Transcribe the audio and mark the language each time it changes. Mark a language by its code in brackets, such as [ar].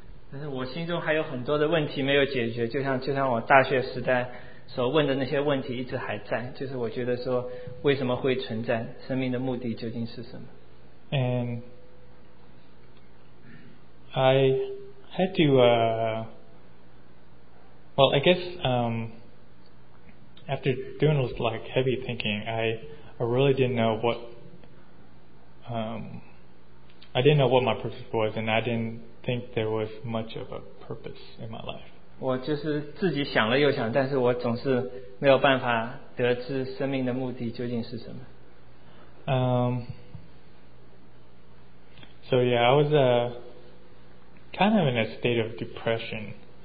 [zh] 但是我心中还有很多的问题没有解决，就像我大学时代所问的那些问题一直还在，就是我觉得说为什么会存在，生命的目的究竟是什么。 [en] And I had to well I guess after doing this like heavy thinking, I really didn't know what I didn't know what my purpose was, and I didn'tThink there was much of a purpose in my life. [zh] 我就是自己想了又想，但是我总是没有办法得知生命的目的究竟是什么。 [en] So yeah, I was kind of in a state of depression.